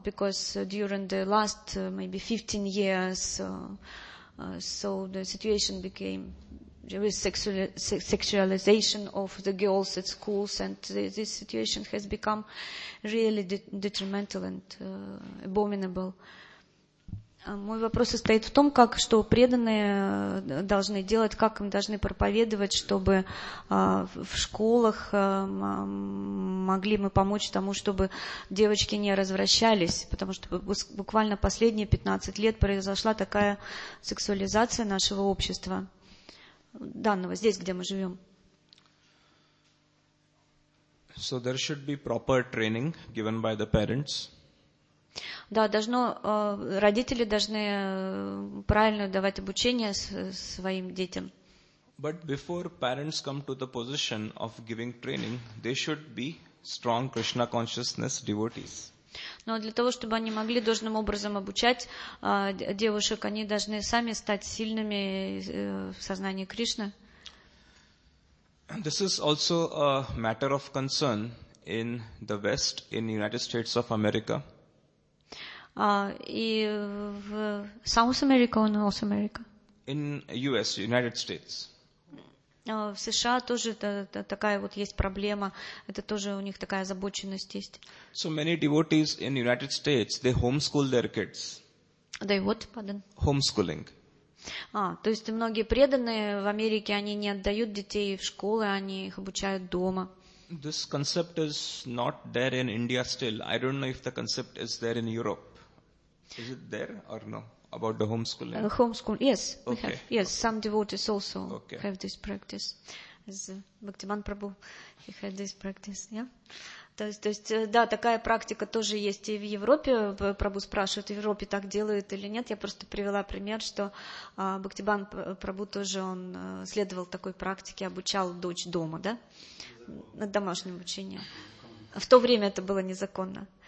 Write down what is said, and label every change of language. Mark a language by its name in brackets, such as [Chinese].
[English] Because during the last maybe 15 years, so the situation became, there is sexualization of the girls at schools, and this situation has become really detrimental and abominable. [Russian] Мой вопрос состоит в том, как, что преданные должны делать, как им должны проповедовать, чтобы в школах могли мы помочь тому, чтобы девочки не развращались, потому что буквально последние 15 лет произошла такая сексуализация нашего общества, данного, здесь, где мы живем. [English] So there should be proper training given by the parents. [Russian] Да, должно, родители должны правильно давать обучение своим детям. [English] But before parents come to the position of giving training, they should be strong Krishna consciousness devotees. [Russian] Но для того, чтобы они могли должным образом обучать девушек, они должны сами стать сильными в сознании Кришны. [English] This is also a matter of concern in the West, in the United States of America. [Russian] И в [English] South America, or North America? In US, United States. [Russian] В США тоже такая вот есть проблема. Это тоже у них такая озабоченность есть. [English] So many devotees in United States, they homeschool their kids. They what, pardon? Homeschooling. [Russian] То есть многие преданные в Америке, они не отдают детей в школы, они их обучают дома. [English] This concept is not there in India still. I don't know if the concept is there in Europe. Is it there or no? About the homeschooling? Homeschool, yes. Okay. We have. Yes, okay. Some devotees also okay. have this practice. As Bhaktivan Prabhu, he had this practice, yeah? [Russian] То есть, да, такая практика тоже есть и в Европе. Прабу спрашивают, в Европе так делают или нет. Я просто привела пример, что Бхактибан Прабу тоже, он следовал такой практике, обучал дочь дома, да? На домашнем обучении. В то время это было незаконно.